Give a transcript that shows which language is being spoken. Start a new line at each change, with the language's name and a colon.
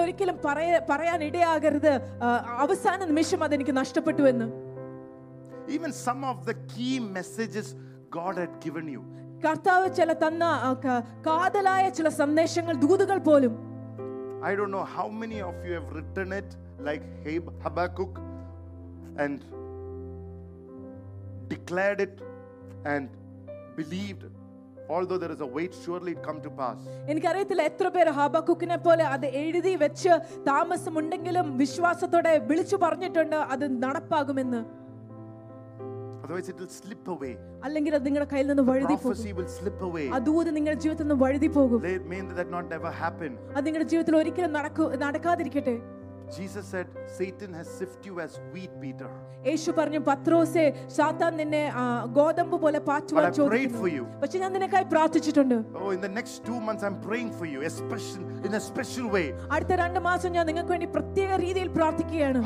Malayalam: ഒരിക്കലും പറയാൻ ഇടയാകരുത് അവസാന നിമിഷം അതെനിക്ക് നഷ്ടപ്പെട്ടു എന്ന്.
English: Even some of the key messages God had given you.
Malayalam: കർത്താവ് ചില തന്ന കാതലായ ചില സന്ദേശങ്ങൾ ദൂതുകൾ പോലും,
English: I don't know how many of you have written it like Habakkuk and declared it and believed, although there is a wait, surely it come to pass.
Malayalam: എനിക്കറിയത്തില്ല എത്ര പേർ ഹബക്കൂക്കിനെ പോലെ അത് എഴുതി വെച്ച് താമസമുണ്ടെങ്കിലും വിശ്വാസത്തോടെ വിളിച്ചു പറഞ്ഞിട്ടുണ്ട് അത് നടപ്പാകുമെന്ന്.
English: Otherwise it will slip away.
Malayalam: അല്ലെങ്കിൽ അത് നിങ്ങളുടെ കയ്യിൽ നിന്ന് വഴുതി പോകും.
English: Prophecy will slip away.
Malayalam: ആ ദൂത് നിങ്ങളുടെ ജീവിതത്തിൽ നിന്ന് വഴുതി പോകും.
English: They mean that not ever happen.
Malayalam: അത് നിങ്ങളുടെ ജീവിതത്തിൽ ഒരിക്കലും നടക്കാതിരിക്കട്ടെ.
English: Jesus said Satan has sifted you as wheat beater.
Malayalam: യേശു പറഞ്ഞു, പത്രോസേ, സാത്താൻ നിന്നെ ഗോതമ്പ് പോലെ പാറ്റുവാൻ ചോദിക്കുന്നു. പക്ഷെ ഞാൻ നിനക്കായി പ്രാർത്ഥിച്ചിട്ടുണ്ട്.
English: Oh, in the next 2 months I'm praying for you, especially in a special way.
Malayalam: അടുത്ത 2 മാസം ഞാൻ നിങ്ങൾക്ക് വേണ്ടി പ്രത്യേക രീതിയിൽ പ്രാർത്ഥിക്കുകയാണ്.